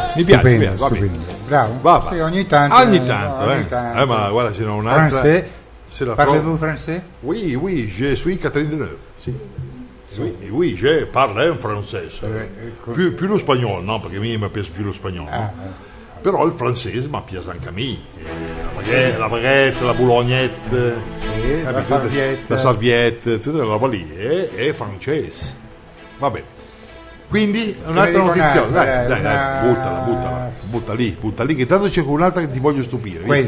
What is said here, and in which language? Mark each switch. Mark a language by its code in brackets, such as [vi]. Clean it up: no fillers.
[it] Mi piace, stupendo, piace. Stupendo. Bravo. Vabbè. Sì, ogni tanto. Ogni tanto, ogni tanto. Ma guarda, se non un'altra. [fr] Francais. Se la parlez-vous français? Oui, oui, je suis Catherine Deneuve. [it] Sì. [fr] Oui, oui, je parle un français. [it] Più lo spagnolo, no? Perché a me mi piace più lo spagnolo. Però il francese mi piace anche a me. [fr] La baguette, la boulognette, [it] sì, la serviette, tutta la roba lì è francese. Va bene, quindi un'altra notizia, buttala lì, che tanto c'è un'altra che ti voglio stupire.